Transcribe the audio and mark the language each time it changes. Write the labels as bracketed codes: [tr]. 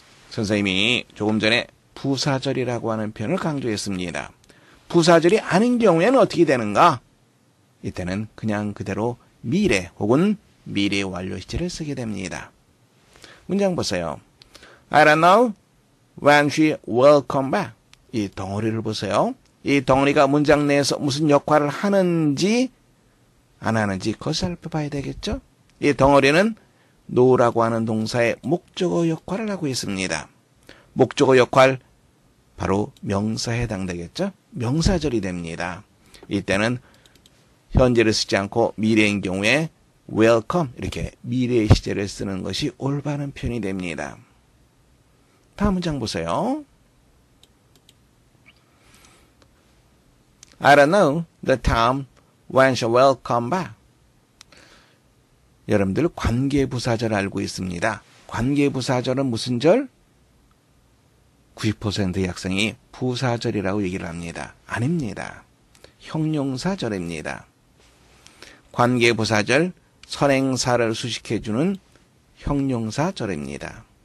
[ko] 선생님이 조금 전에 부사절이라고 하는 표현을 강조했습니다. 부사절이 아닌 경우에는 어떻게 되는가? 이때는 그냥 그대로 미래 혹은 미래 완료 시제를 쓰게 됩니다. 문장 보세요. [en] I don't know when she will come back. [ko] 이 덩어리를 보세요. 이 덩어리가 문장 내에서 무슨 역할을 하는지 안 하는지 그것을 살펴봐야 되겠죠? 이 덩어리는 know라고 하는 동사의 목적어 역할을 하고 있습니다. 목적어 역할 바로 명사에 해당되겠죠? 명사절이 됩니다. 이때는 현재를 쓰지 않고 미래인 경우에 welcome 이렇게 미래의 시제를 쓰는 것이 올바른 표현이 됩니다. 다음 문장 보세요. [en] I don't know the time when she will come back. [ko] 여러분들 관계부사절 알고 있습니다. 관계부사절은 무슨 절? 90%의 학생이 부사절이라고 얘기를 합니다. 아닙니다. 형용사절입니다. 관계부사절, 선행사를 수식해주는 형용사절입니다.